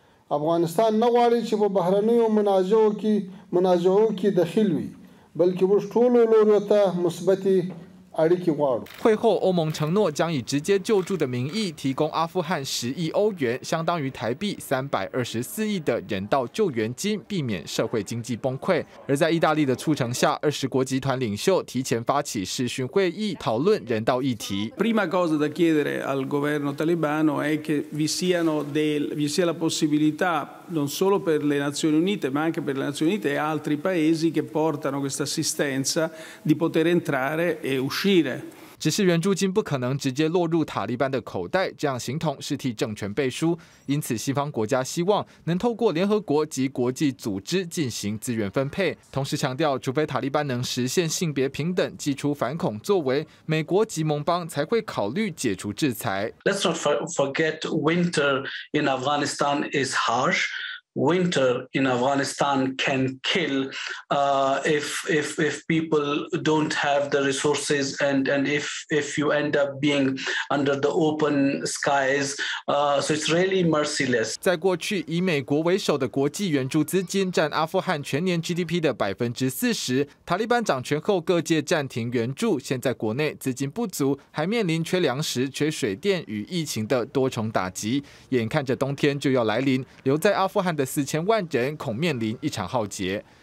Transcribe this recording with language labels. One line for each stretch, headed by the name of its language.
Pashto: افغانستان نه غواړي چې په بهرنیو منازعو کې دخیل وي، بلکې موږ ټولو لورو ته مثبتې اړیکې غواړو.
Chinese: 会后，欧盟承诺将以直接救助的名义提供阿富汗10亿欧元，相当于台币324亿的人道救援金，避免社会经济崩溃。而在意大利的促成下，20国集团领袖提前发起视讯会议，讨论人道议题。
Italian: Prima cosa da chiedere al governo talibano è che vi sia la possibilità non solo per le Nazioni Unite ma anche per le Nazioni Unite e altri paesi che portano questa assistenza di poter entrare e uscire。
Chinese: 只是援助金不可能直接落入塔利班的口袋，这样形同是替政权背书。因此，西方国家希望能透过联合国及国际组织进行资源分配，同时强调，除非塔利班能实现性别平等，祭出反恐作为，美国及盟邦才会考虑解除制裁。
English: Let's not forget, winter in Afghanistan is harsh. Winter in Afghanistan can kill if people don't have the resources and if you end up being under the open skies. So it's really merciless.
Chinese: 在过去，以美国为首的国际援助资金占阿富汗全年 GDP 的40%。塔利班掌权后，各界暂停援助。现在国内资金不足，还面临缺粮食、缺水电与疫情的多重打击。眼看着冬天就要来临，留在阿富汗的4000万人恐面临一场浩劫。